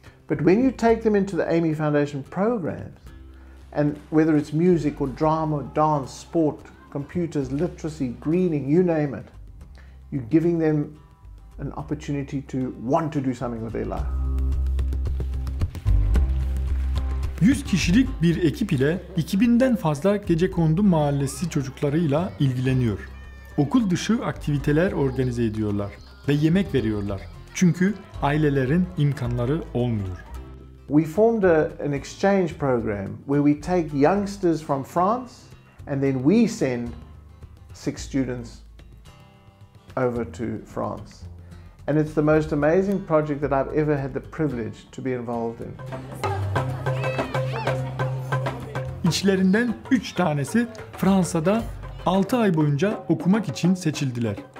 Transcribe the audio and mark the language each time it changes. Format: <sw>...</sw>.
<en>But when you take them into the AMI Foundation programs, and whether it's music or drama, dance, sport, computers, literacy, greening, you name it, you're giving them an opportunity to want to do something with their life.</en> <tr>100 kişilik bir ekip ile 2000'den fazla gecekondu mahallesi çocuklarıyla ilgileniyor. Okul dışı aktiviteler organize ediyorlar ve yemek veriyorlar. Çünkü ailelerin imkanları olmuyor.</tr> <en>We formed an exchange program where we take youngsters from France and then we send 6 students over to France. And it's the most amazing project that I've ever had the privilege to be involved in.</en> <tr>İçlerinden 3 tanesi Fransa'da 6 ay boyunca okumak için seçildiler.</tr>